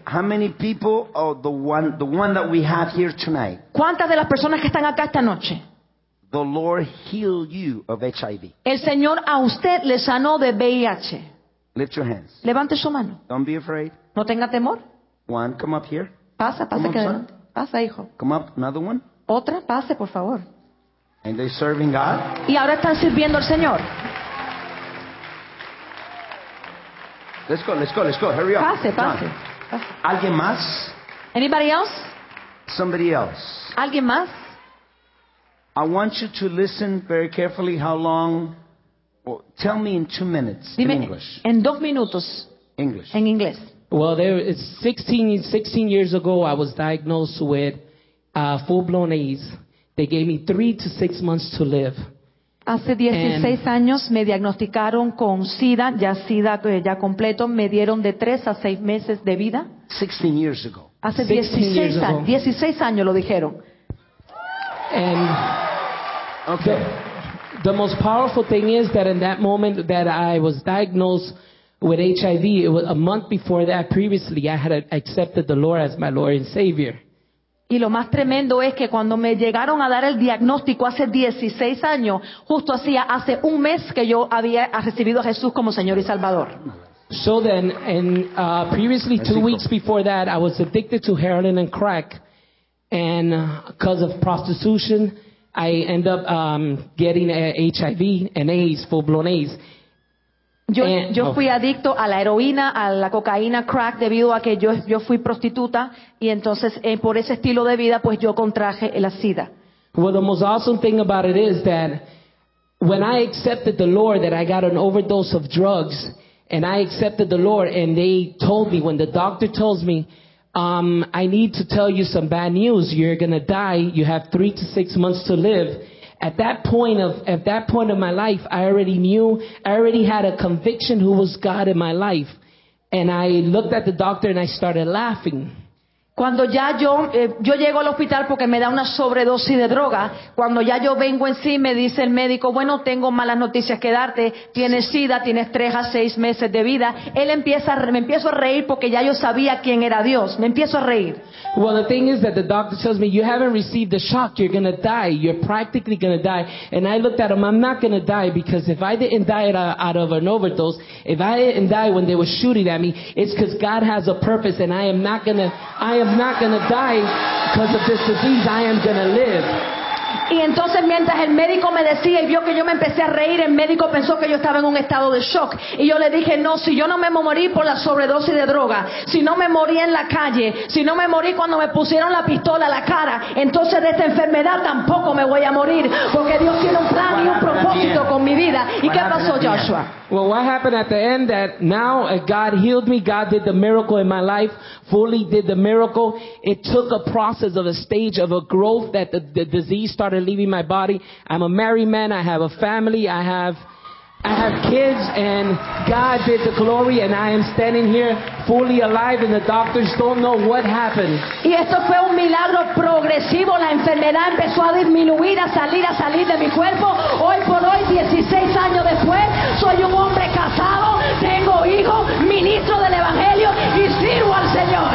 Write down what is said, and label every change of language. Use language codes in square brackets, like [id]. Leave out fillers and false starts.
[en] How many people are the one that we have here tonight? [es] ¿Cuántas de las personas que están acá esta noche? [en] The Lord healed you of HIV. [es] El Señor a usted le sanó de VIH. [en] Lift your hands. [es] Levante su mano. [en] Don't be afraid. [es] No tenga temor. [en] One, come up here. [es] Pasa que adelante. Pasa, hijo. [en] Come up, another one. [es] Otra, pase, por favor. [en] And they're serving God. [es] Y ahora están sirviendo al Señor. [en] Let's go. Hurry up. [es] Pase. ¿Alguien más? [en] Anybody else? Somebody else. [es] ¿Alguien más? [en] I want you to listen very carefully how long, well, tell me in 2 minutes. [es] Dime, [en] in English. [es] En 2 minutos. [en] English. [es] En inglés. [en] Well, there is 16 years ago, I was diagnosed with full-blown AIDS. They gave me 3 to 6 months to live. [es] Hace 16 años me diagnosticaron con SIDA, ya SIDA ya completo. Me dieron de 3 a 6 meses de vida. [en] 16 years ago. [es] Hace 16 años lo dijeron. [en] And okay. The most powerful thing is that in that moment that I was diagnosed with HIV, it was a month before that, previously, I had accepted the Lord as my Lord and Savior. [es] Y lo más tremendo es que cuando me llegaron a dar el diagnóstico hace 16 años, justo hacía hace un mes que yo había recibido a Jesús como Señor y Salvador. [en] So then, and previously, two weeks before that, I was addicted to heroin and crack. And because of prostitution, I end up getting HIV and AIDS, full-blown AIDS. [es] Yo fui adicto a la heroína, a la cocaína, crack, debido a que yo fui prostituta. Y entonces, por ese estilo de vida, pues yo contraje la SIDA. [en] Well, the most awesome thing about it is that when I accepted the Lord, that I got an overdose of drugs, and I accepted the Lord, and they told me, when the doctor tells me, I need to tell you some bad news, you're going to die, you have 3 to 6 months to live. At that point of my life, I already knew, I already had a conviction who was God in my life. And I looked at the doctor and I started laughing. [es] Cuando ya yo llego al hospital porque me da una sobredosis de droga, cuando ya yo vengo en sí, me dice el médico, bueno, tengo malas noticias que darte, tienes SIDA, tienes 3 a 6 meses de vida. Él empieza, me empiezo a reír porque ya yo sabía quién era Dios, me empiezo a reír. [en] Well, the thing is that the doctor tells me, you haven't received the shock, you're going to die, you're practically going to die. And I looked at him, I'm not going to die, because if I didn't die out of an overdose, if I didn't die when they were shooting at me, it's because God has a purpose, and I am not going to... I'm not going to die because of this disease. I am going to live. [es] Y entonces mientras el médico me decía y vio que yo me empecé a reír, el médico pensó que yo estaba en un estado de shock. Y yo le dije, no, si yo no me morí por la sobredosis de droga, si no me morí en la calle, si no me morí cuando me pusieron la pistola a la cara, entonces de esta enfermedad tampoco me voy a morir, porque Dios tiene un plan y un propósito con mi vida. ¿Y qué pasó, Joshua? [en] Well, what happened at the end, that now God healed me, God did the miracle in my life, fully did the miracle. It took a process of a stage of a growth that the disease started leaving my body. I'm a married man, I have a family, I have kids, and God did the glory, and I am standing here fully alive, and the doctors don't know what happened. [es] Y esto fue un milagro progresivo. La enfermedad empezó a disminuir, a salir de mi cuerpo. Hoy por hoy, 16 años después, soy un hombre casado, tengo hijos, ministro del Evangelio, y sirvo al Señor.